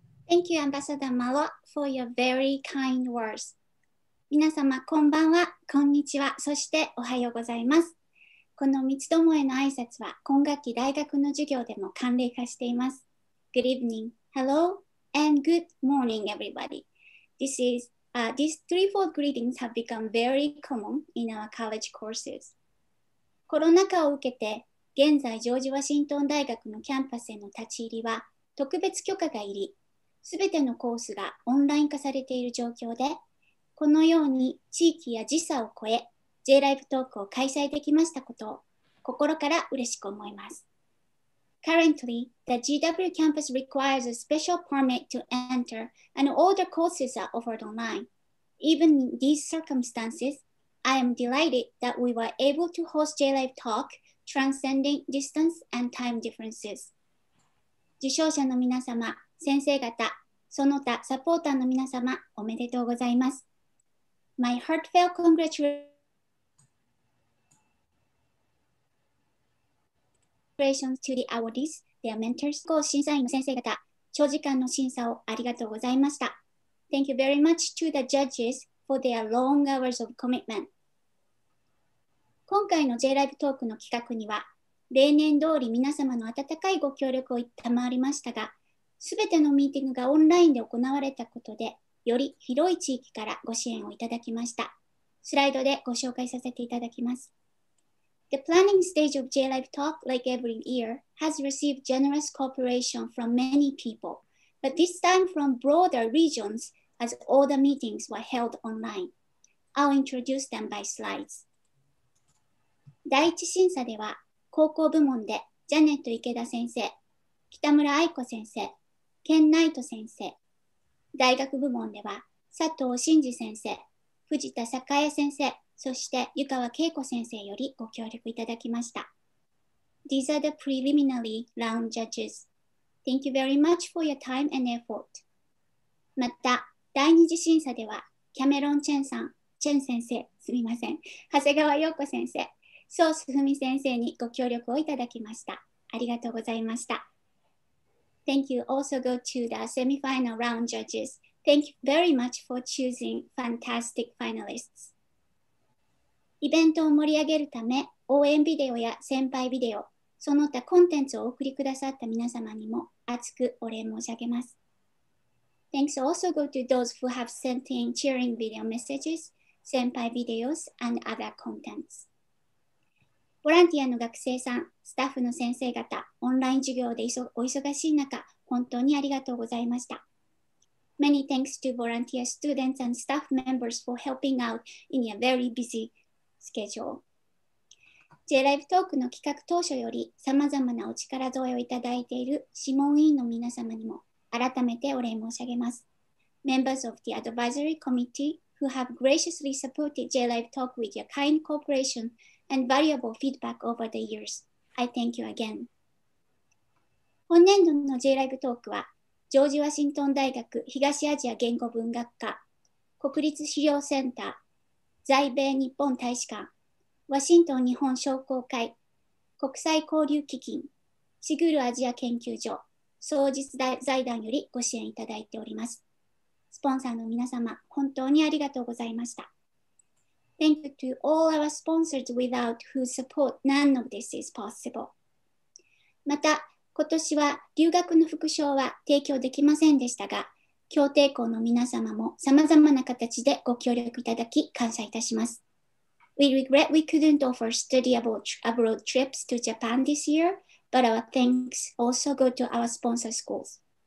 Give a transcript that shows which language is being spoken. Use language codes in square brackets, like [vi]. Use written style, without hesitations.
[en] Thank you, Ambassador Malo, for your very kind words. [ja] 皆様、こんばんは、こんにちは、そしておはようございます。この三つどもへの挨拶は、今学期大学の授業でも慣例化しています。 [en] Good evening, hello, and good morning, everybody. These threefold greetings have become very common in our college courses. [ja] コロナ禍を受けて、現在ジョージ・ワシントン大学のキャンパスへの立ち入りは特別許可が入り、すべてのコースがオンライン化されている状況で、このように地域や時差を超え、J ライブトークを開催できましたことを心から嬉しく思います。 [en] Currently, the GW campus requires a special permit to enter, and all the courses are offered online. Even in these circumstances,I am delighted that we were able to host J-Live Talk, Transcending Distance and Time Differences. [ja] 受賞者の皆様、先生方、その他サポーターの皆様、おめでとうございます。 [en] My heartfelt congratulations to the awardees, their mentors, [ja] 審査員の先生方、長時間の審査をありがとうございました。 [en] Thank you very much to the judges for their long hours of commitment. [ja] 今回の J Live Talk の企画には、例年通り皆様の温かいご協力を賜りましたが、すべてのミーティングがオンラインで行われたことで、より広い地域からご支援をいただきました。スライドでご紹介させていただきます。 [en] The planning stage of J Live Talk, like every year, has received generous cooperation from many people, but this time from broader regions, as all the meetings were held online. I'll introduce them by slides. [ja] 第一審査では、高校部門でジャネット池田先生、北村愛子先生、ケン・ナイト先生、大学部門では佐藤真嗣先生、藤田栄先生、そして湯川恵子先生よりご協力いただきました。 [en] These are the preliminary round judges. Thank you very much for your time and effort. [ja] また、第二次審査では、キャメロン・チェンさん、チェン先生、すみません、長谷川陽子先生、ソースフミ先生にご協力をいただきました。ありがとうございました。 [en] Thank you also go to the semi-final round judges. Thank you very much for choosing fantastic finalists. [ja] イベントを盛り上げるため、応援ビデオや先輩ビデオ、その他コンテンツをお送りくださった皆様にも熱くお礼申し上げます。 [en] Thanks also go to those who have sent in cheering video messages, 先輩 videos and other contents. [ja] ボランティアの学生さん、スタッフの先生方、オンライン授業でお忙しい中、本当にありがとうございました。 [en] Many thanks to volunteer students and staff members for helping out in a very busy schedule. [ja] J-Live Talk の企画当初より様々なお力添えをいただいている諮問委員の皆様にも改めてお礼申し上げます。 [en] Members of the Advisory Committee who have graciously supported J-Live Talk with your kind cooperationand valuable feedback over the years. I thank you again. [ja] 本年度の J Live Talk は、ジョージ・ワシントン大学東アジア言語文学科、国立資料センター、在米日本大使館、ワシントン日本商工会、国際交流基金、シグルアジア研究所、双日財団よりご支援いただいております。スポンサーの皆様、本当にありがとうございました。 [en] Thank you to all our sponsors without whose support none of this is possible. [ja] また、今年は留学の副賞は提供できませんでしたが、協定校の皆様も様々な形でご協力いただき感謝いたします。 [en] We regret we couldn't offer study abroad trips to Japan this year, but our thanks also go to our sponsor schools.